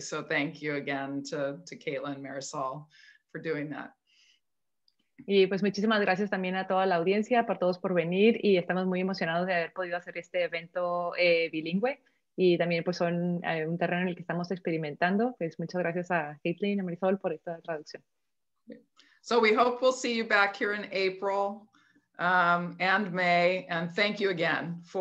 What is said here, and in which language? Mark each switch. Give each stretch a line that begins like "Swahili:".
English: So thank you again to Caitlin and Marisol for doing that.
Spanish: Y pues muchísimas gracias también a toda la audiencia, por todos por venir, y estamos muy emocionados de haber podido hacer este evento bilingüe, y también pues son un terreno en el que estamos experimentando. Pues muchas gracias a Caitlin y a Marisol por esta traducción.
English: So we hope we'll see you back here in April and May, and thank you again for